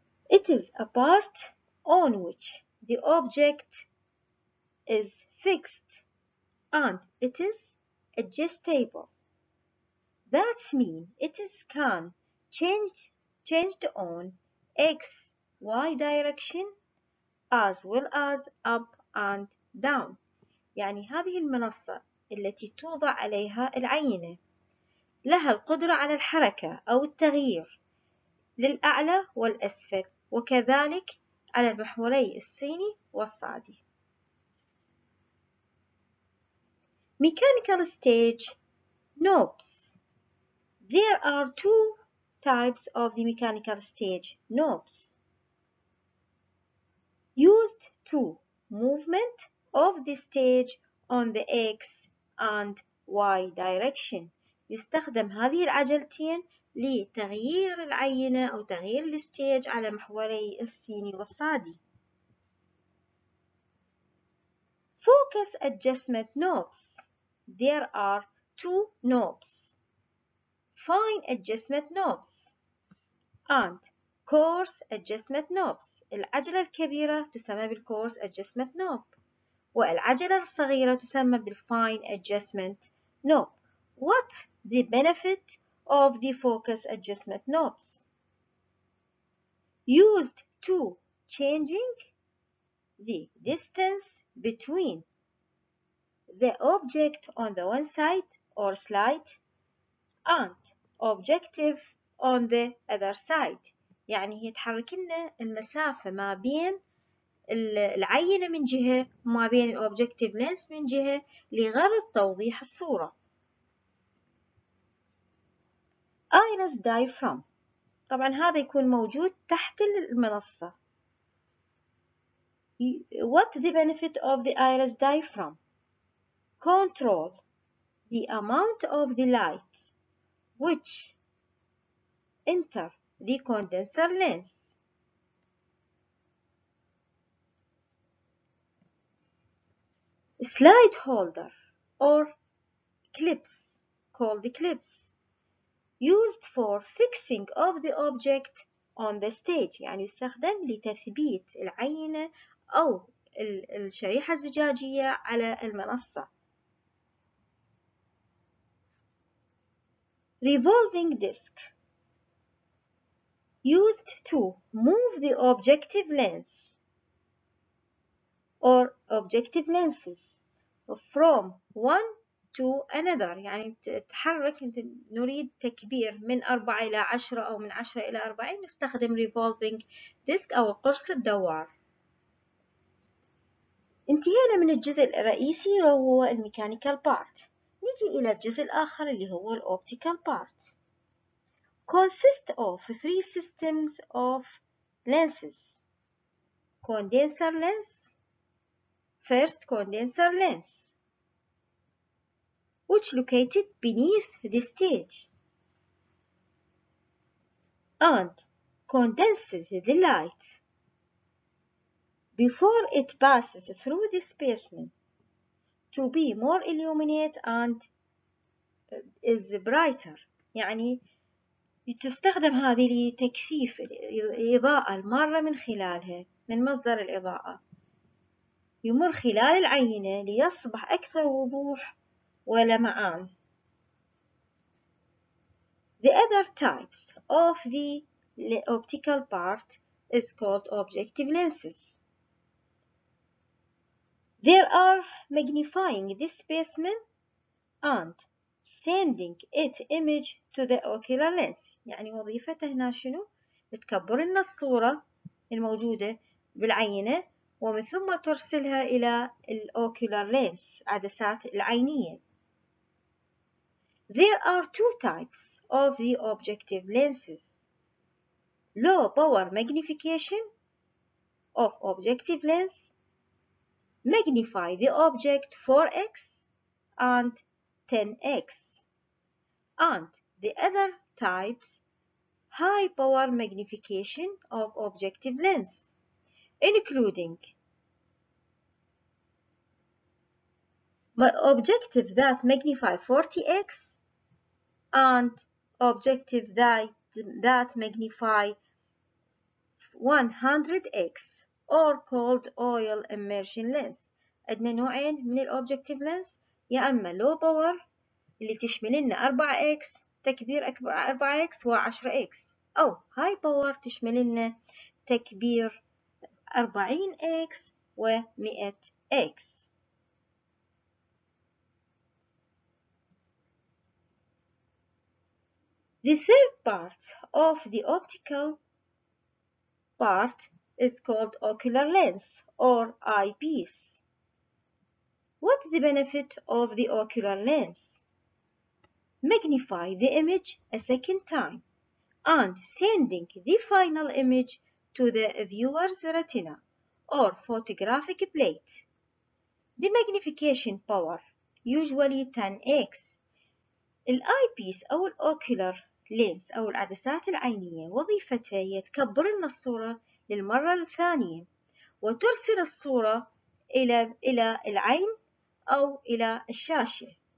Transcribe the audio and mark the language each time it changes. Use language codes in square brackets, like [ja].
[en] It is a part on which the object is fixed and it is adjustable. That means it is can changed on X, Y direction as well as up and down. [ar] يعني هذه المنصة التي توضع عليها العينة لها القدرة على الحركة أو التغيير للأعلى والأسفل وكذلك على المحوري الصيني والصعدي. [en] Mechanical stage knobs. There are two types of the mechanical stage knobs used to movement of the stage on the X and Y direction. [ar] يستخدم هذه العجلتين لتغيير العينة أو تغيير الستيج على محوري الصيني والصادي. [en] Focus adjustment knobs. There are two knobs: fine adjustment knobs and coarse adjustment knobs. [ar] العجلة الكبيرة تسمى بالcoarse adjustment knob والعجلة الصغيرة تسمى بالfine adjustment knob. [en] What the benefit of the focus adjustment knobs? Used to changing the distance between the object on the one side or slide and objective on the other side. [ar] يعني هي تحرك لنا المسافة ما بين العينة من جهة وما بين الobjective lens من جهة لغرض توضيح الصورة. [en] Iris diaphragm. [ar] طبعا هذا يكون موجود تحت المنصة. [en] What the benefit of the iris diaphragm? Control the amount of the light which enter the condenser lens. Slide holder or clips. called clips, used for fixing of the object on the stage. [ar] يعني يستخدم لتثبيت العينة أو الشريحة الزجاجية على المنصة. [en] Revolving disc, used to move the objective lens or objective lenses from one to another. [ar] يعني تتحرك نريد تكبير من 4 إلى 10 أو من 10 إلى 40، نستخدم revolving disc أو قرص الدوار. انتهينا من الجزء الرئيسي وهو الميكانيكال بارت. نجي إلى الجزء الآخر اللي هو الأوبتيكال بارت. [en] Consist of three systems of lenses. Condenser lens. First condenser lens. Which located beneath the stage. And condenses the light. Before it passes through the specimen. To be more illuminate and is brighter. [ar] يعني تستخدم هذه لتكثيف الإضاءة المارة من خلالها من مصدر الإضاءة، يمر خلال العينة ليصبح أكثر وضوح ولمعان. [en] The other types of the optical part is called objective lenses. There are magnifying the specimen and sending it image to the ocular lens. [ar] يعني وظيفته هنا شنو؟ تكبر لنا الصورة الموجودة بالعينة ومن ثم ترسلها إلى الأوكيولار لينس، عدسات العينية. [en] There are two types of the objective lenses. Low power magnification of objective lens. Magnify the object 4x and 10x. And the other types, high power magnification of objective lens, including objective that magnify 40x and objective that magnify 100x. Or called oil immersion lens. [ar] عندنا نوعين من الأوبجكتيف لينس، يا أما لو باور اللي تشمل لنا 4x تكبير أكبر 4x و10x، أو هاي باور تشمل لنا تكبير 40x و100x. [en] The third part of the optical part is called ocular lens or eyepiece. What's the benefit of the ocular lens? Magnify the image a second time and sending the final image to the viewer's retina or photographic plate. The magnification power usually 10x. [ar] الايبيس او الاوكولار لينس او العدسات العينية وظيفتها هي تكبر لنا الصورة للمرة الثانية وترسل الصورة إلى العين أو إلى الشاشة.